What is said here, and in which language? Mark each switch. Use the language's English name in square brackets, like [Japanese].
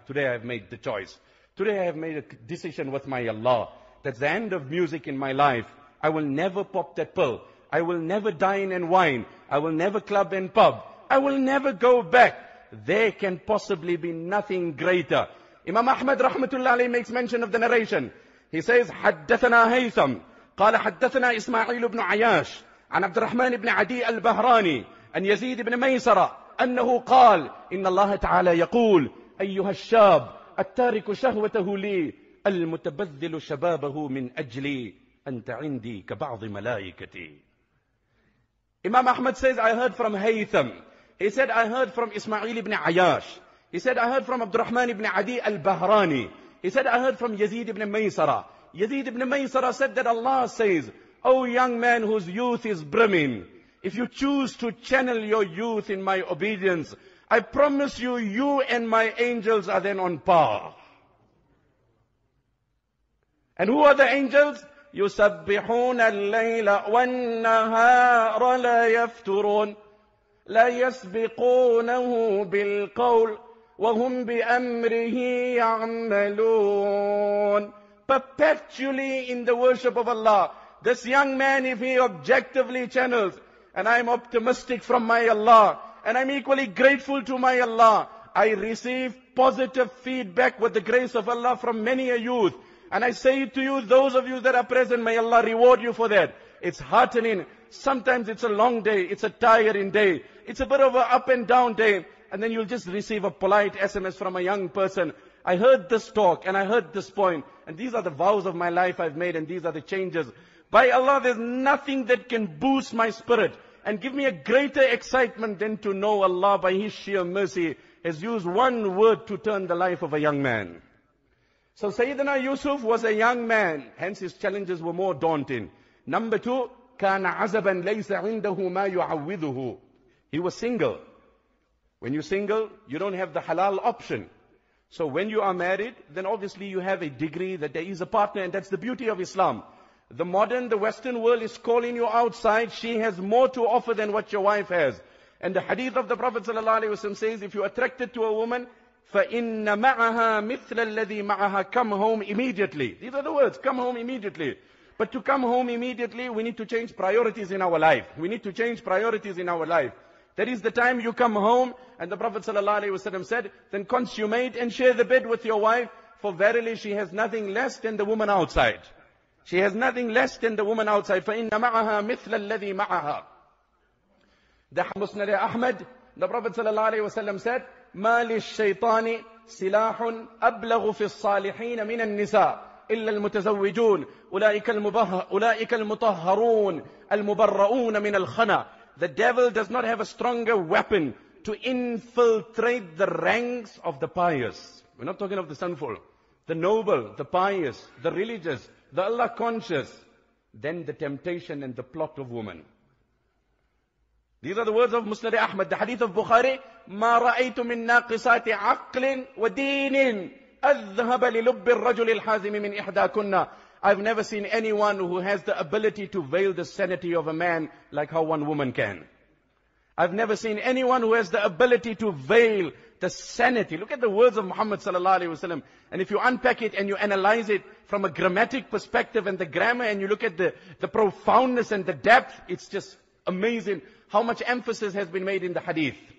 [English] Today I've made the choice. Today I have made a decision with my Allah. That's the end of music in my life. I will never pop that pill. I will never dine and wine. I will never club and pub. I will never go back. There can possibly be nothing greater. Imam Ahmad rahmatullah alayhi makes mention of the narration. He says, [Arabic] حَدَّثَنَا هَيْثَمْ قال حدثنا إسماعيل بن عياش عن عبد الرحمن بن عدي البهراني أن يزيد بن ميسرة أنه قال إن الله تعالى يقول أيها الشاب التارك شهوته لي المتبذل شبابه من أجلي أنت عندي كبعض ملائكتي. [English] Imam Ahmad says, I heard from Haytham. He said, I heard from Ismail ibn Ayash. He said, I heard from Abdurrahman ibn Adi al-Bahrani. He said, I heard from Yazid ibn Maysara. Yazid ibn Maysara said that Allah says, O young man whose youth is brimming, if you choose to channel your youth in my obedience, I promise you, you and my angels are then on par. And who are the angels? [Arabic] يسبحون الليل والنهار لا يفترون لا يسبقونه بالقول وهم بأمره يعملون. [English] Perpetually in the worship of Allah. This young man, if he objectively channels, and I'm optimistic from my Allah, and I'm equally grateful to my Allah, I receive positive feedback with the grace of Allah from many a youth. And I say it to you, those of you that are present, may Allah reward you for that. It's heartening. Sometimes it's a long day. It's a tiring day. It's a bit of an up and down day. And then you'll just receive a polite SMS from a young person. I heard this talk and I heard this point. And these are the vows of my life I've made and these are the changes. By Allah, there's nothing that can boost my spirit and give me a greater excitement than to know Allah by His sheer mercy has used one word to turn the life of a young man. So Sayyidina Yusuf was a young man, hence his challenges were more daunting. Number two, [Arabic] كَانَ عَزَبًا لَيْسَ عِنْدَهُ مَا يُعَوِّذُهُ. [English] He was single. When you're single, you don't have the halal option. So when you are married, then obviously you have a degree that there is a partner, and that's the beauty of Islam. The modern, the Western world is calling you outside. She has more to offer than what your wife has. And the hadith of the Prophet ﷺ says, if you're attracted to a woman, [Arabic] فَإِنَّ مَعَهَا مِثْلَ الَّذِي مَعَهَا. [English] Come home immediately. These are the words, come home immediately. But to come home immediately, we need to change priorities in our life. We need to change priorities in our life. That is the time you come home, and the Prophet sallallahu alaihi wasallam said, then consummate and share the bed with your wife, for verily she has nothing less than the woman outside. She has nothing less than the woman outside. [Arabic] فَإِنَّ مَعَهَا مِثْلَ الَّذِي مَعَهَا. [English] The Musnad Ahmad, the Prophet sallallahu alaihi wasallam said, [Arabic] مَا لِلشَّيْطَانِ سِلَاحٌ أَبْلَغُ فِي الصَّالِحِينَ مِنَ النِّسَاءِ إِلَّا الْمُتَزَوِّجُونَ أُولَٰئِكَ الْمُطَهَّرُونَ الْمُبَرَّؤُونَ مِنَ الْخَنَى. [English] The devil does not have a stronger weapon to infiltrate the ranks of the pious. We're not talking of the sinful. The noble, the pious, the religious, the Allah conscious, then the temptation and the plot of woman. These are the words of Musnad Ahmad, the hadith of Bukhari. [Arabic] ما رأيت من ناقصات عقل ودين أذهب للب الرجل الحازم من إحداكنا. [English] I've never seen anyone who has the ability to veil the sanity of a man like how one woman can. I've never seen anyone who has the ability to veil the sanity. Look at the words of Muhammad sallallahu alaihi wasallam. And if you unpack it and you analyze it from a grammatic perspective and the grammar, and you look at the profoundness and the depth, it's just amazing how much emphasis has been made in the hadith.